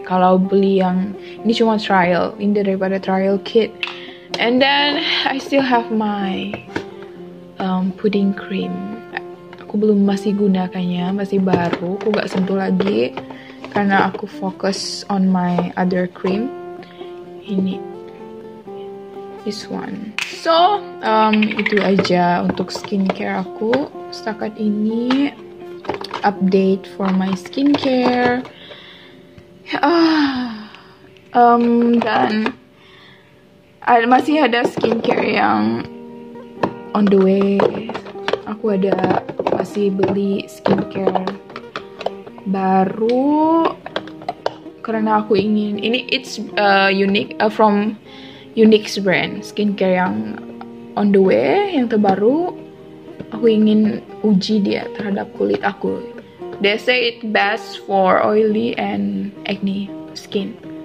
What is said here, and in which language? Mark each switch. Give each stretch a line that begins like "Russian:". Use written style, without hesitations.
Malay: Kalau beli yang ini cuma trial, ini daripada trial kit.
English: And then I still have my pudding cream.
Malay: Aku belum masih gunakannya, masih baru. Aku gak sentuh lagi karena aku fokus
English: on my other cream.
Malay: Ini
English: this one.
Malay: So, itu aja untuk skincare aku setakat ini.
English: Update for my skincare.
Malay: Dan masih ada skincare yang
English: on the way.
Malay: Aku ada masih beli skincare baru karena aku ingin ini.
English: It's unique from Unix brand skincare
Malay: yang on the way, yang terbaru. Aku ingin uji dia terhadap kulit aku.
English: They say it best for oily and acne skin.